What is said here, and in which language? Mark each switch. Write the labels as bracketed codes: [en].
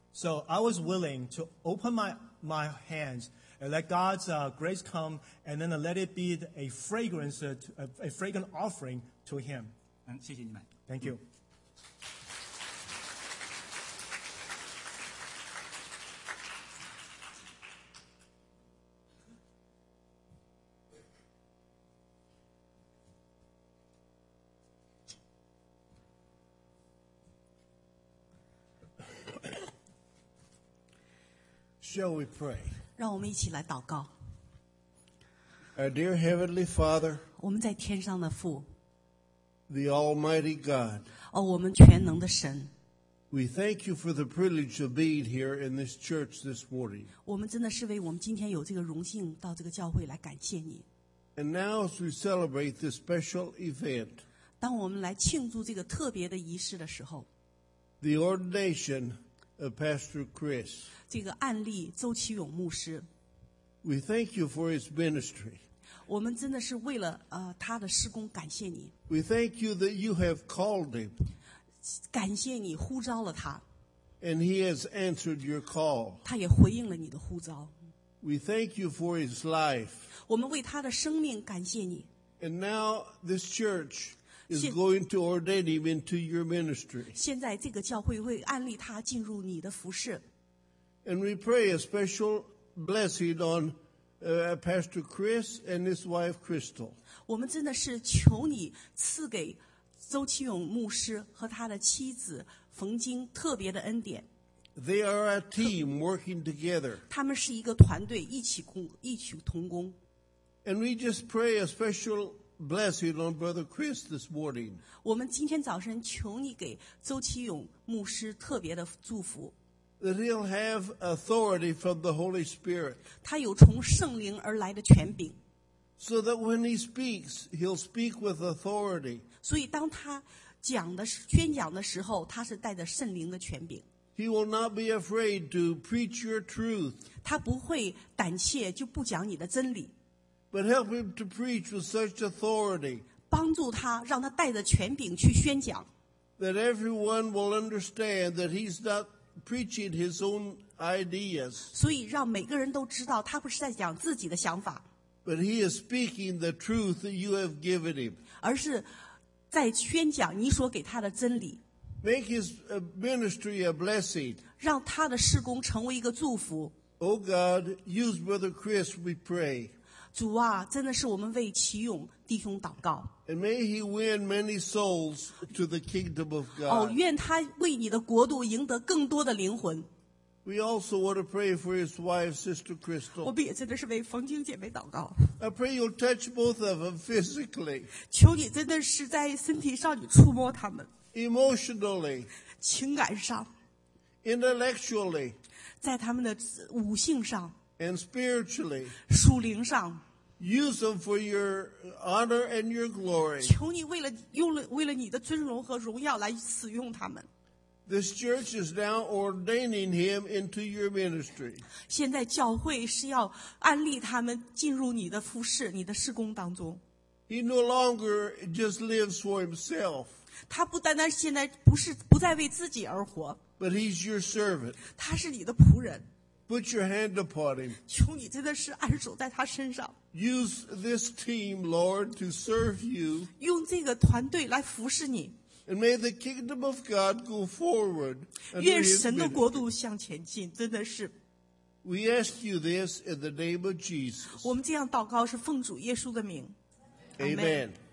[en] So I was willing to open my hands and let God's grace come, and then let it be a fragrant offering to Him. [zh] 谢谢你们。 [en] Thank you. Shall we pray? [zh] 让我们一起来祷告。 [en] Our dear Heavenly Father, [zh] 我们在天上的父。 [en] The Almighty God, [zh] 我们全能的神。 [en] We thank you for the privilege of being here in this church this morning. [zh] 我们真的是为我们今天有这个荣幸到这个教会来感谢你。 [en] And now as we celebrate this special event, [zh] 当我们来庆祝这个特别的仪式的时候。 [en] The ordination Pastor Chris. [zh] 这个案例周启勇牧师。 [en] We thank you for his ministry. [zh] 我们真的是为了他的事工感谢你。 [en] We thank you that you have called him. [zh] 感谢你呼召了他。 [en] And he has answered your call. [zh] 他也回应了你的呼召。 [en] We thank you for his life. [zh] 我们为他的生命感谢你。 [en] And now this church is going to ordain him into your ministry. [zh] 现在这个教会会安立他进入你的服事。 [en] And we pray a special blessing on Pastor Chris and his wife Crystal. [zh] 我们真的是求你赐给周启勇牧师和他的妻子冯晶特别的恩典。 [en] They are a team working together. [zh] 他们是一个团队，异曲同工。 [en] And we just pray a special blessing on Brother Chris this morning. [zh] 我们今天早晨求你给周启勇牧师特别的祝福。 [en] That he'll have authority from the Holy Spirit. [zh] 他有从圣灵而来的权柄。 [en] So that when he speaks, he'll speak with authority. [zh] 所以当他讲的宣讲的时候，他是带着圣灵的权柄。 [en] He will not be afraid to preach your truth. [zh] 他不会胆怯就不讲你的真理。 [en] But help him to preach with such authority. [zh] 帮助他，让他带着权柄去宣讲。 [en] That everyone will understand that he's not preaching his own ideas. [zh] 所以让每个人都知道他不是在讲自己的想法。 [en] But he is speaking the truth that you have given him. [zh] 而是在宣讲你所给他的真理。 [en] Make his ministry a blessing. [zh] 让他的事工成为一个祝福。 [en] Oh God, use Brother Chris, we pray. [zh] 主啊，真的是我们为启勇弟兄祷告。 [en] And may he win many souls to the kingdom of God. [zh] 哦，愿他为你的国度赢得更多的灵魂。 [en] We also want to pray for his wife, Sister Crystal. [zh] 我们也真的是为冯晶姐妹祷告。 [en] I pray you'll touch both of them physically. [zh] 求你真的是在身体上你触摸他们。 [en] Emotionally. [zh] 情感上。 [en] Intellectually. [zh] 在他们的悟性上。 [en] And spiritually. [zh] 属灵上。 [en] Use them for your honor and your glory. [zh] 求你为了你的尊荣和荣耀来使用他们。 [en] This church is now ordaining him into your ministry. [zh] 现在教会是要安立他们进入你的服事，你的事工当中。 [en] He no longer just lives for himself. [zh] 他不单单现在不是不再为自己而活。 [en] But he's your servant. [zh] 他是你的仆人。 [en] Put your hand upon him. [zh] 求你真的是按手在他身上。 [en] Use this team, Lord, to serve you. [zh] 用这个团队来服侍你。 [en] And may the kingdom of God go forward. [zh] 愿神的国度向前进，真的是。 [en] We ask you this in the name of Jesus. [zh] 我们这样祷告是奉主耶稣的名。 [en] Amen.